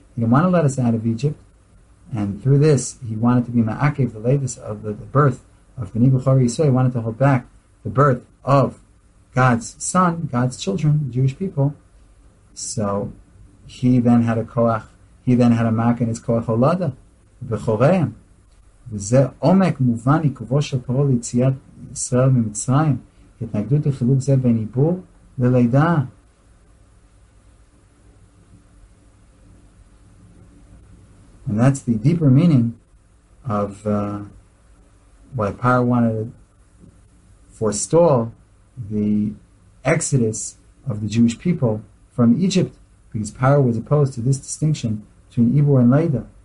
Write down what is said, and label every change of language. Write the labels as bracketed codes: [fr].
[en] He didn't want to let us out of Egypt. And through this, he wanted to be ma'akev the latest of the birth of B'nei B'chor Yisrael. He wanted to hold back the birth of God's son, God's children, the Jewish people. So he then had a koach. He then had a mak in his koach holada, b'choreim. [he] וזה עומק מובן עיכובו של פרעה ליציאת ישראל ממצרים, התנגדות לחילוק זה בין עיבור ללידה. [en] And that's the deeper meaning of why Paro wanted to forestall the exodus of the Jewish people from Egypt, because Paro was opposed to this distinction between Ibur and Leida.